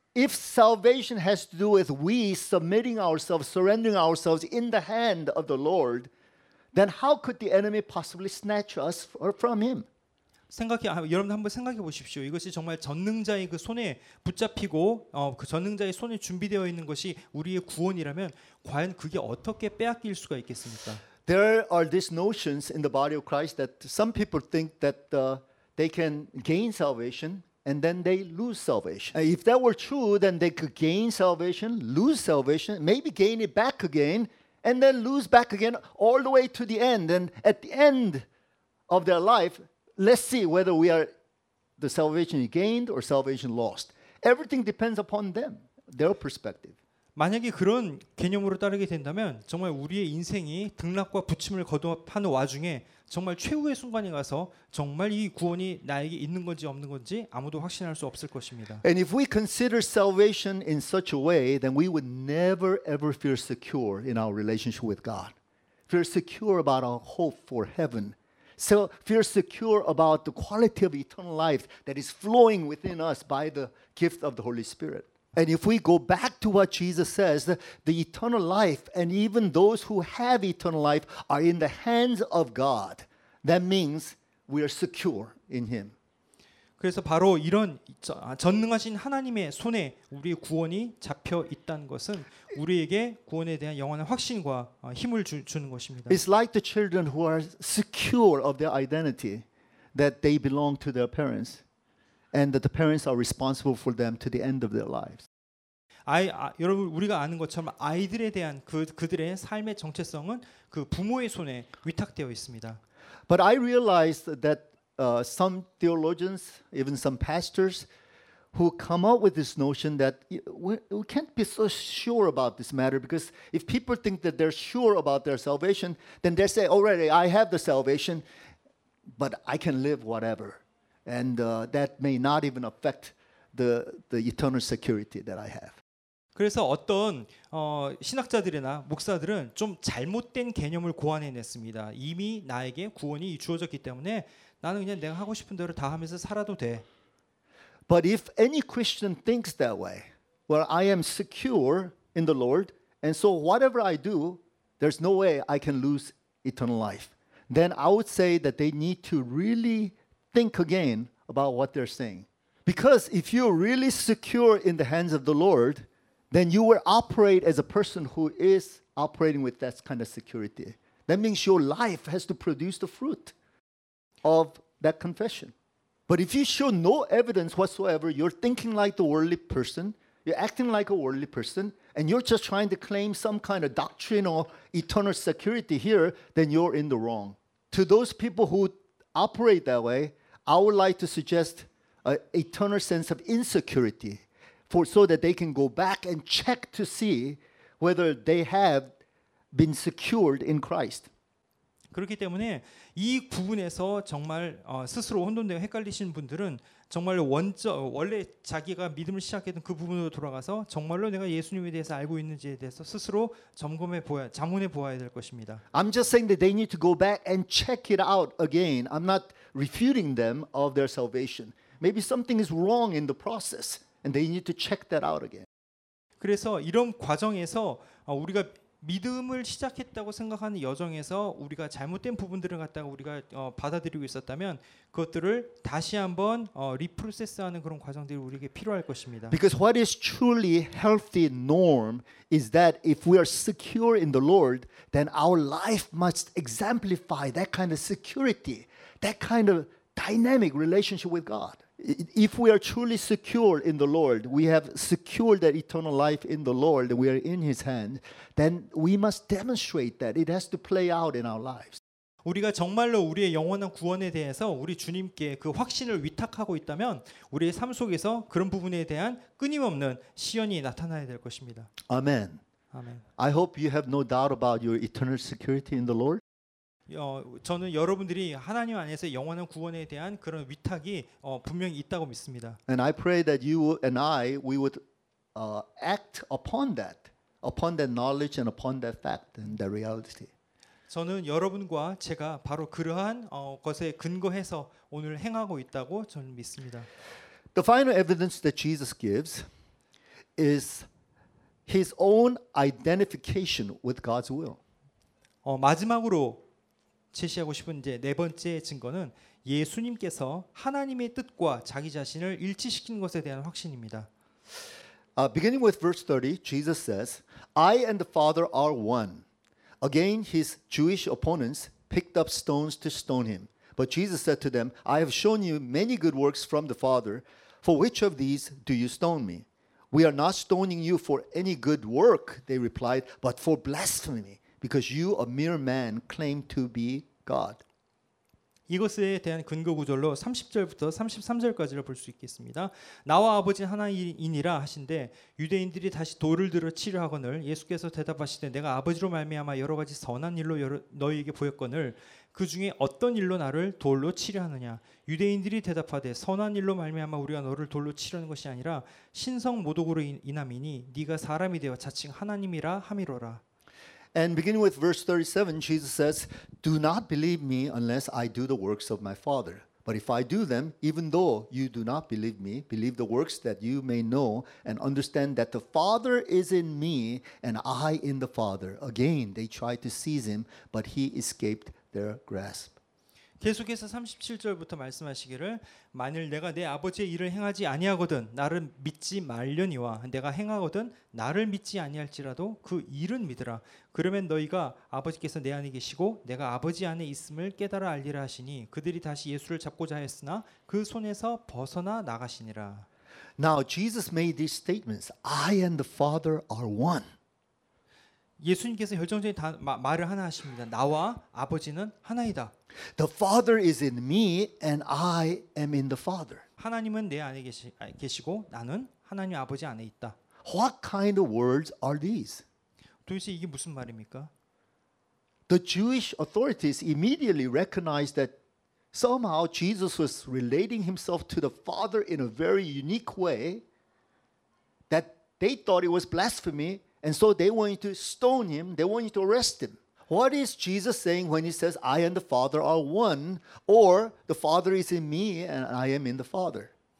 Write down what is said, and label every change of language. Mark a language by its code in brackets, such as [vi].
[en] If salvation has to do with we submitting ourselves, surrendering ourselves in the hand of the Lord, then how could the enemy possibly snatch us from him? [ko] 여러분 한번 생각해 보십시오. 이것이 정말 전능자의 그 손에 붙잡히고 그 전능자의 손에 준비되어 있는 것이 우리의 구원이라면 과연 그게 어떻게 빼앗길 수가 있겠습니까? [en] There are these notions in the body of Christ that some people think that they can gain salvation and then they lose salvation. If that were true, then they could gain salvation, lose salvation, maybe gain it back again, and then lose back again all the way to the end. And at the end of their life, let's see whether we are the salvation gained or salvation lost. Everything depends upon them, their perspective. [ko] 만약에 그런 개념으로 따르게 된다면 정말 우리의 인생이 등락과 부침을 거듭하는 와중에 정말 최후의 순간에 가서 정말 이 구원이 나에게 있는 건지 없는 건지 아무도 확신할 수 없을 것입니다. [en] And if we consider salvation in such a way, then we would never ever feel secure in our relationship with God. Feel secure about our hope for heaven. So feel secure about the quality of eternal life that is flowing within us by the gift of the Holy Spirit. And if we go back to what Jesus says, the eternal life and even those who have eternal life are in the hands of God. That means we are secure in him. [ko] 그래서 바로 이런 전능하신 하나님의 손에 우리의 구원이 잡혀 있다는 것은 우리에게 구원에 대한 영원한 확신과 힘을 주는 것입니다. [en] It's like the children who are secure of their identity that they belong to their parents and that the parents are responsible for them to the end of their lives. [ko] 여러분 우리가 아는 것처럼 아이들에 대한 그들의 삶의 정체성은 그 부모의 손에 위탁되어 있습니다. [en] But I realized that some theologians, even some pastors, who come up with this notion that we can't be so sure about this matter because if people think that they're sure about their salvation, then they say, already I have the salvation, but I can live whatever. And that may not even affect the eternal security that I have. [ko] 그래서 어떤 신학자들이나 목사들은 좀 잘못된 개념을 고안해냈습니다. 이미 나에게 구원이 주어졌기 때문에 나는 그냥 내가 하고 싶은 대로 다 하면서 살아도 돼. [en] But if any Christian thinks that way, well, I am secure in the Lord, and so whatever I do, there's no way I can lose eternal life. Then I would say that they need to really think again about what they're saying. Because if you're really secure in the hands of the Lord, then you will operate as a person who is operating with that kind of security. That means your life has to produce the fruit of that confession. But if you show no evidence whatsoever, you're thinking like the worldly person, you're acting like a worldly person, and you're just trying to claim some kind of doctrinal eternal security here, then you're in the wrong. To those people who operate that way, I would like to suggest an eternal sense of insecurity so that they can go back and check to see whether they have been secured in Christ. [ko] 그렇기 때문에 이 부분에서 정말 스스로 혼돈되고 헷갈리신 분들은 정말 원래 자기가 믿음을 시작했던 그 부분으로 돌아가서 정말로 내가 예수님에 대해서 알고 있는지에 대해서 스스로 자문해 보아야 될 것입니다. [en] I'm just saying that they need to go back and check it out again. I'm not refuting them of their salvation. Maybe something is wrong in the process and they need to check that out again. [ko] 그래서 이런 과정에서 우리가 믿음을 시작했다고 생각하는 여정에서 우리가 잘못된 부분들을 갖다가 우리가 받아들이고 있었다면 그것들을 다시 한번 리프로세스하는 그런 과정들이 우리에게 필요할 것입니다. [en] Because what is truly healthy norm is that if we are secure in the Lord, then our life must exemplify that kind of security, that kind of dynamic relationship with God. If we are truly secure in the Lord, we have secured that eternal life in the Lord, we are in His hand, then we must demonstrate that. It has to play out in our lives. [ko] 우리가 정말로 우리의 영원한 구원에 대해서 우리 주님께 그 확신을 위탁하고 있다면 우리의 삶 속에서 그런 부분에 대한 끊임없는 시연이 나타나야 될 것입니다. [en] Amen. Amen. I hope you have no doubt about your eternal security in the Lord. [ko] 저는 여러분들이 하나님 안에서 영원한 구원에 대한 그런 위탁이 분명히 있다고 믿습니다. [en] And I pray that you and I we would act upon that knowledge and upon that fact and that reality. [ko] 저는 여러분과 제가 바로 그러한 것에 근거해서 오늘 행하고 있다고 저는 믿습니다. [en] The final evidence that Jesus gives is his own identification with God's will. [ko] 마지막으로 제시하고 싶은 이제 네 번째 증거는 예수님께서 하나님의 뜻과 자기 자신을 일치시킨 것에 대한 확신입니다. [en] Beginning with verse 30, Jesus says, I and the Father are one. Again, his Jewish opponents picked up stones to stone him. But Jesus said to them, I have shown you many good works from the Father. For which of these do you stone me? We are not stoning you for any good work, they replied, but for blasphemy. Because you, a mere man, claim to be God. [ko] 이것에 대한 근거 구절로 30절부터 33절까지를 볼 수 있겠습니다. 나와 아버지 하나이니라 하신대 유대인들이 다시 돌을 들어 치려 하거늘 예수께서 대답하시되 내가 아버지로 말미암아 여러 가지 선한 일로 너희에게 보였거늘 그 중에 어떤 일로 나를 돌로 치려 하느냐 유대인들이 대답하되 선한 일로 말미암아 우리가 너를 돌로 치려는 것이 아니라 신성 모독으로 인함이니 네가 사람이 되어 자칭 하나님이라 함이로라. [en] And beginning with verse 37, Jesus says, Do not believe me unless I do the works of my Father. But if I do them, even though you do not believe me, believe the works that you may know and understand that the Father is in me and I in the Father. Again, they tried to seize him, but he escaped their grasp. [ko] 계속해서 37절부터 말씀하시기를 만일 내가 내 아버지의 일을 행하지 아니하거든 나를 믿지 말려니와 내가 행하거든 나를 믿지 아니할지라도 그 일은 믿으라 그러면 너희가 아버지께서 내 안에 계시고 내가 아버지 안에 있음을 깨달아 알리라 하시니 그들이 다시 예수를 잡고자 했으나 그 손에서 벗어나 나가시니라. [en] Now Jesus made these statements. I and the Father are one. [ko] 예수님께서 결정적인 말을 하나 하십니다. 나와 아버지는 하나이다. [en] The Father is in me and I am in the Father. [ko] 하나님은 내 안에 계시고 나는 하나님 아버지 안에 있다. [en] What kind of words are these? [ko] 도대체 이게 무슨 말입니까? [en] The Jewish authorities immediately recognized that somehow Jesus was relating himself to the Father in a very unique way that they thought it was blasphemy. And so they wanted to stone him. They wanted to arrest him. What is Jesus saying when he says, I and the Father are one, or the Father is in me and I am in the Father?